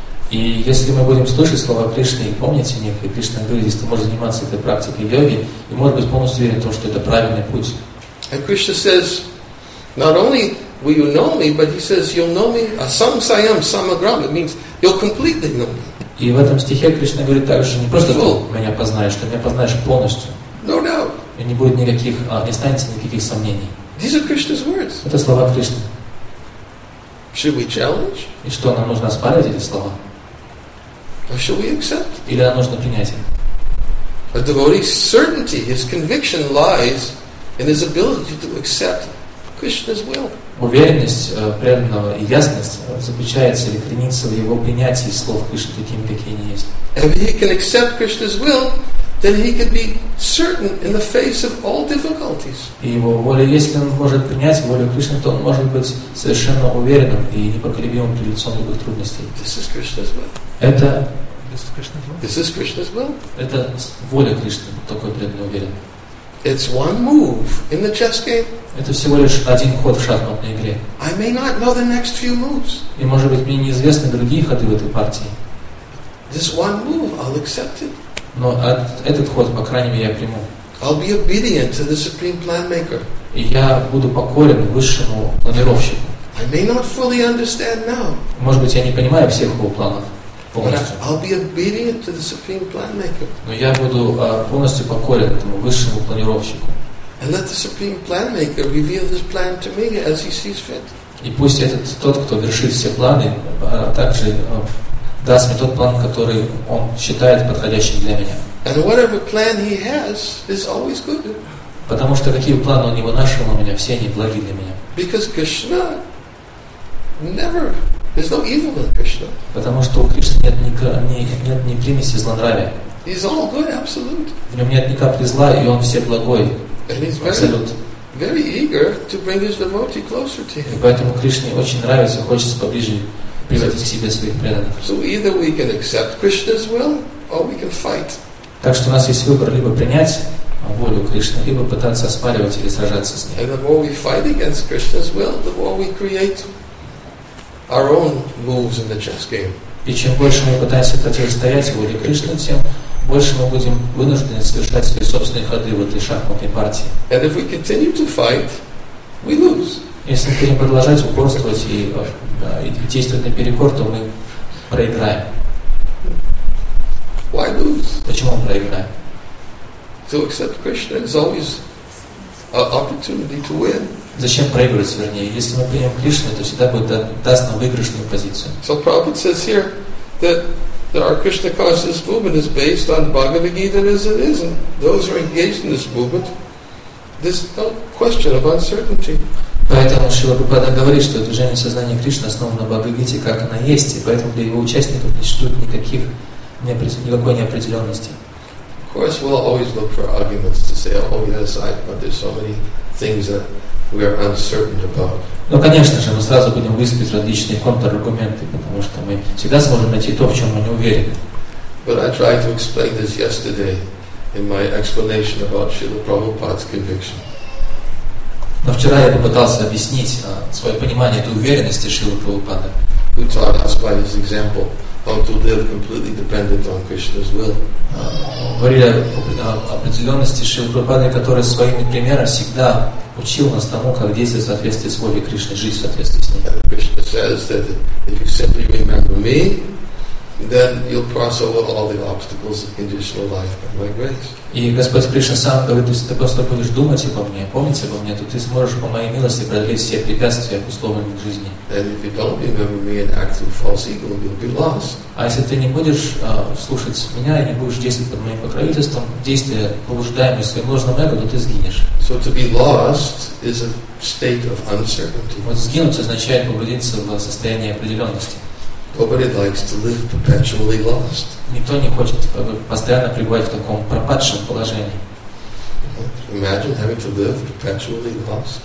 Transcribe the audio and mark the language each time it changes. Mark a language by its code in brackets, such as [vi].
[ru] И если мы будем слушать слова Кришны и помнить о них, и Кришна говорит, если ты можешь заниматься этой практикой йоги, и может быть полностью уверен в том, что это правильный путь. [en] And Krishna says, not only will you know me, but he says, you'll know me [sa] asam sayam samagram. [en] It means you'll completely know me. [ru] И в этом стихе Кришна говорит также, не просто ты меня познаешь, ты меня познаешь полностью. [en] No doubt. [ru] И не будет никаких, не останется никаких сомнений. [en] These are Krishna's words. [ru] Это слова Кришны. [en] Should we challenge? [ru] И что, нам нужно оспаривать эти слова? [en] Or should we accept? [ru] Или нам нужно принять их? [en] A devotee's certainty, his conviction lies in his ability to accept Krishna's will. [ru] Уверенность преданного и ясность заключается или кренится в его принятии слов Кришны такими, какие они есть. [en] And if he can accept Krishna's will, then he can be certain in the face of all difficulties. [ru] И его воля, если он может принять волю Кришны, то он может быть совершенно уверенным и непоколебимым перед лицом любых трудностей. [en] This is Krishna's will. [ru] Это [en] This is Krishna's will. [ru] Это воля Кришны, такой преданный уверен. [en] It's one move in the chess game. [ru] Это всего лишь один ход в шахматной игре. [en] I may not know the next few moves. [ru] И может быть мне неизвестны другие ходы в этой партии. [en] This one move, I'll accept it. [ru] Но этот ход, по крайней мере, я приму. [en] I'll be obedient to the supreme plan maker. [ru] І я буду покорен вищому планировщику. [en] I may not fully understand now. [ru] Може бути, я не розумію всіх його планів. [en] I'll be obedient to the supreme plan maker. [ru] Но я буду повністю покорен тому вищому планировщику. [en] And let the supreme plan maker reveal his plan to me as he sees fit. [ru] І пусть этот тот, хто вершит все плани, также дасть мне тот план, который он считает подходящим для меня. [en] And whatever plan he has is always good. [ru] Потому что какие планы он не вынашивал у меня, все они благи для меня. [en] Because Krishna never, there's no evil in Krishna. [ru] Потому что у Кришны нет ни примеси злонравия. [en] He's all good, absolute. [ru] В нем нет ни капли зла, и он все благой. [en] And he's very eager to bring his devotee closer to him. [ru] И поэтому Кришне очень нравится, хочется поближе приводить к себе своих преданных. [en] So either we can accept Krishna's will, or we can fight. [ru] Так что у нас есть выбор либо принять волю Кришны, либо пытаться оспаривать или сражаться с ней. [en] And the more we fight against Krishna's will, the more we create our own moves in the chess game. [ru] И чем больше мы пытаемся противостоять воле Кришны, тем больше мы будем вынуждены совершать свои собственные ходы в этой шахматной партии. [en] And if we continue to fight, we lose. [ru] Если мы будем продолжать упорствовать и действовать наперекор, то мы проиграем. [en] Why lose? [ru] Почему мы проиграем? [en] To accept Krishna is always an opportunity to win. [ru] Зачем проигрывать, вернее? Если мы примем Кришну, то всегда будет даст нам выигрышную позицию. [en] So Prabhupada says here that our Krishna consciousness movement is based on Bhagavad Gita as it is, and those who are engaged in this movement, there's no question of uncertainty. [ru] Поэтому Шрила Прабхупада говорит, что движение сознания Кришны основано на Бхагавад Гите, как оно есть, и поэтому для его участников не существует никакой неопределенности. [en] Of course, we'll always look for arguments to say, oh yes, but there's so many things that we are uncertain about. [ru] Ну, конечно же, мы сразу будем выискивать различные контраргументы, потому что мы всегда сможем найти то, в чем мы не уверены. [en] But I tried to explain this yesterday in my explanation about Srila Prabhupada's conviction. [ru] Но вчера я попытался объяснить свое понимание этой уверенности Шрилы Прабхупады. [en] Who taught us by his example how to live completely dependent on Krishna's will. [ru] Говорили определенности Шрилы Прабхупады, который своими примерами всегда учил нас тому, как действовать в соответствии с волей Кришны, жить в соответствии с ней. [en] And Krishna says that if you simply remember me, then you'll cross over all the obstacles of conditional life by my grace. [ru] И Господь Кришна сам говорит, если ты просто будешь думать обо мне, помнить обо мне, то ты сможешь по моей милости преодолеть все препятствия к условиям жизни. [en] And if you don't remember me and act through false ego, you'll be lost. [ru] А если ты не будешь слушать меня и не будешь действовать под моим покровительством, действия, побуждаемые своим ложным эго, то ты сгинешь. [en] So to be lost is a state of uncertainty. [ru] Вот сгинуть означает погрузиться в состояние определенности. [en] Nobody likes to live perpetually lost. [ru] Никто не хочет постоянно пребывать в таком пропадшем положении. [en] Imagine having to live perpetually lost.